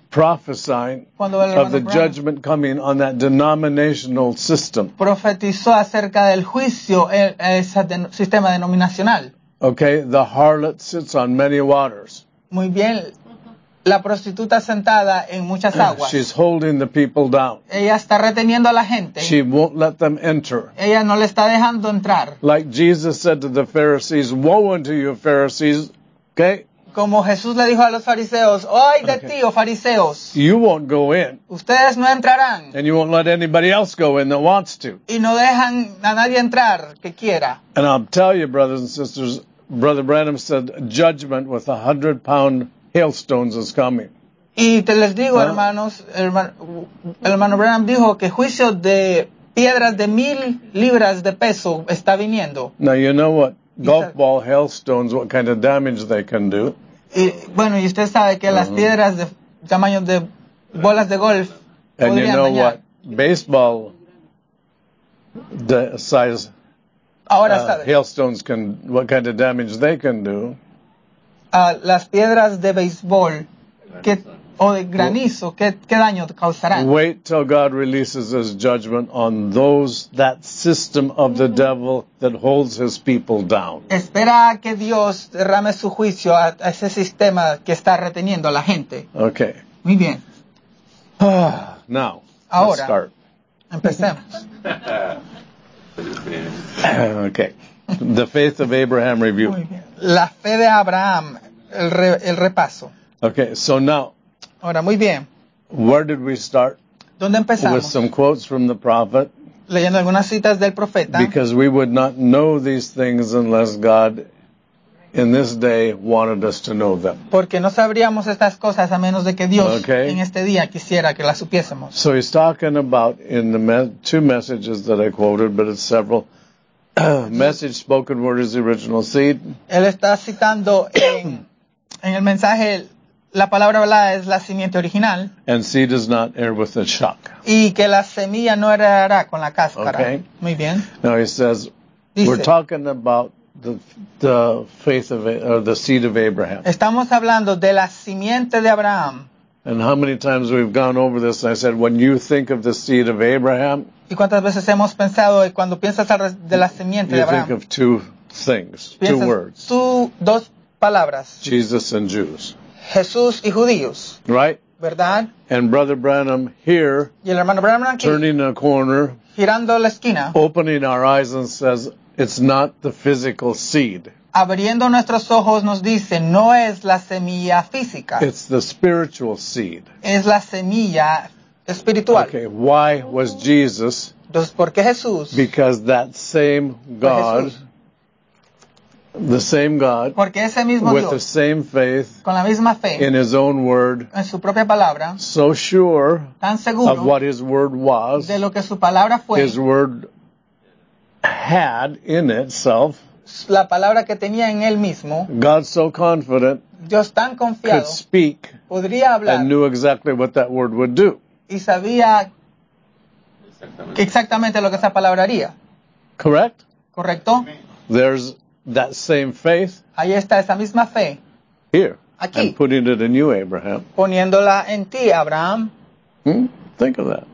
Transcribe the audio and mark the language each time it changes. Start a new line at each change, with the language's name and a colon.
English: Prophesying of the judgment coming on that denominational system.
Spanish: Profetizó acerca del juicio en ese sistema denominacional.
English: Okay, the harlot sits on many waters.
Spanish: Muy bien. La prostituta sentada en muchas aguas.
English: She's holding the people down.
Spanish: Ella está reteniendo a la gente.
English: She won't let them enter.
Spanish: Ella no le está dejando entrar.
English: Like Jesus said to the Pharisees, woe unto you Pharisees. Okay?
Spanish: Como Jesús le dijo a los fariseos, ¡ay de ti, oh fariseos!
English: You won't go in.
Spanish: Ustedes no entrarán.
English: And you won't let anybody else go in that wants to.
Spanish: Y no dejan a nadie entrar que quiera.
English: And I'll tell you, brothers and sisters, Brother Branham said, judgment with 100-pound hailstones is coming.
Spanish: Y te les digo, hermanos, hermano Branham dijo que juicio de piedras de 1,000 libras de peso está viniendo.
English: Now, you know what? Golf ball hailstones, what kind of damage they can do.
Spanish: Y, bueno, y usted sabe que las piedras de tamaño de bolas de golf
English: and you know
Spanish: dañar.
English: What? Baseball size
Spanish: ahora sabe.
English: Hailstones can, what kind of damage they can do.
Spanish: Las piedras de béisbol que, o de granizo, well, ¿qué daño causarán?
English: Wait till God releases his judgment on those, that system of the devil that holds his people down.
Spanish: Espera a que Dios derrame su juicio a ese sistema que está reteniendo a la gente.
English: Okay.
Spanish: Muy bien.
English: Now,
Spanish: ahora,
English: let's start.
Spanish: Empecemos.
English: Okay. The faith of Abraham review.
Spanish: La fe de Abraham, el repaso.
English: Okay, so now.
Spanish: Ahora, muy bien.
English: Where did we start?
Spanish: ¿Dónde empezamos?
English: With some quotes from the prophet.
Spanish: Leyendo algunas citas del profeta.
English: Because we would not know these things unless God, in this day, wanted us to know them.
Spanish: Porque no sabríamos estas cosas a menos de que Dios, okay, en este día quisiera que las supiésemos.
English: So he's talking about in the two messages that I quoted, but it's several. Message spoken word is the original seed.
Spanish: Él está citando en el mensaje, la palabra hablada es la simiente original.
English: And seed is not air with a shock.
Spanish: Y que la semilla no heredará con la cáscara.
English: Okay.
Spanish: Muy bien.
English: Now he says,
Spanish: dice,
English: we're talking about the faith of, or the seed of Abraham.
Spanish: Estamos hablando de la simiente de Abraham.
English: And how many times we've gone over this, and I said, when you think of the seed of Abraham,
Spanish: ¿y cuántas veces hemos pensado cuando piensas de la simiente de Abraham?
English: You think of two things, two words.
Spanish: Dos palabras.
English: Jesus and Jews.
Spanish: Jesús y judíos.
English: Right?
Spanish: ¿Verdad?
English: And Brother Branham here,
Spanish: y el hermano Branham aquí,
English: turning a corner,
Spanish: girando la esquina,
English: opening our eyes and says, it's not the physical seed.
Spanish: Abriendo nuestros ojos nos dice, no es la semilla física.
English: It's the spiritual seed.
Spanish: Es la semilla espiritual.
English: Okay, why was Jesus?
Spanish: Entonces, ¿por qué Jesús?
English: Because that same God, the same God,
Spanish: porque ese mismo
English: with
Spanish: Dios,
English: the same faith,
Spanish: con la misma fe,
English: in his own word,
Spanish: en su propia palabra,
English: so sure,
Spanish: tan seguro,
English: of what his word was,
Spanish: de lo que su palabra fue,
English: his word had in itself,
Spanish: la palabra que tenía en él mismo,
English: God so confident,
Spanish: Dios tan confiado,
English: could speak,
Spanish: podría hablar,
English: and knew exactly what that word would do.
Spanish: Y sabía exactamente lo que esa palabra haría.
English: Correct?
Spanish: Correcto.
English: There's that same faith.
Spanish: Ahí está esa misma fe.
English: Here.
Spanish: Aquí.
English: And putting it in you, Abraham.
Spanish: Poniéndola en ti, Abraham.
English: Hmm? Think of that.